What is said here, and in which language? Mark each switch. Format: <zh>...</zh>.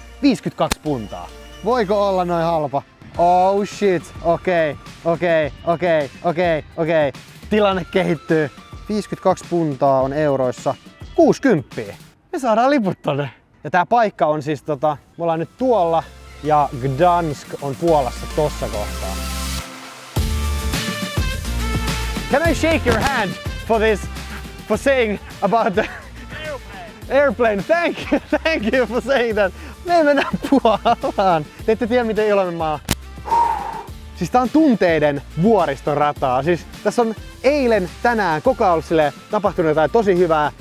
<fi>52 puntaa. Voiko olla noin halpa?</fi> <en>Oh shit,</en> <fi>okei. Tilanne kehittyy. 52 puntaa on euroissa 60. Me saadaan liput tonne. Ja tää paikka on siis me ollaan nyt tuolla ja Gdansk on Puolassa tossa kohtaa.</fi> <en>Can I shake your hand for this, for saying about the airplane? Thank you for saying that.</en> <fi>Me mennään Puolaan. Te ette tiedä miten iloinen mä oon. Siis tää on tunteiden vuoristorataa. Siis tässä on eilen, tänään, koko ajan silleen tapahtunut jotain tosi hyvää.</fi>